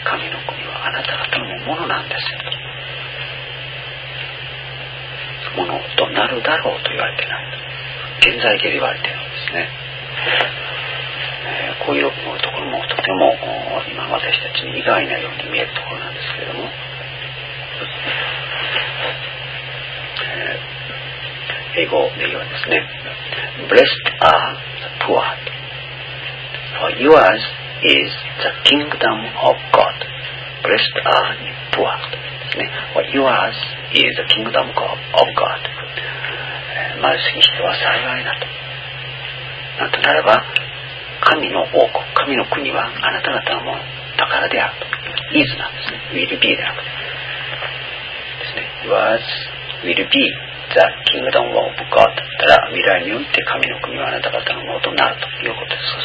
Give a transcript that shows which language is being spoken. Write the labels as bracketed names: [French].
[Japanese] 神の国はあなた方のものなんですよと、ものとなるだろうと言われていない、現在形で言われているんですね。こういうところもとても今私たちに意外なように見えるところなんですけれども、英語で言うんですね。 [English] Blessed are the poor, for yours is the kingdom of God. Blessed are the poor, ですね。 For yours is the kingdom of God. [Japanese] 貧しい人は幸いだと。なんとならば、神の王国、神の国はあなた方のものだからであると。 Is なんですね。 Will be であると。ですね。 [English] Yours will be. [Japanese] The kingdom of God だら、未来において神の国はあなた方のものとなるということです。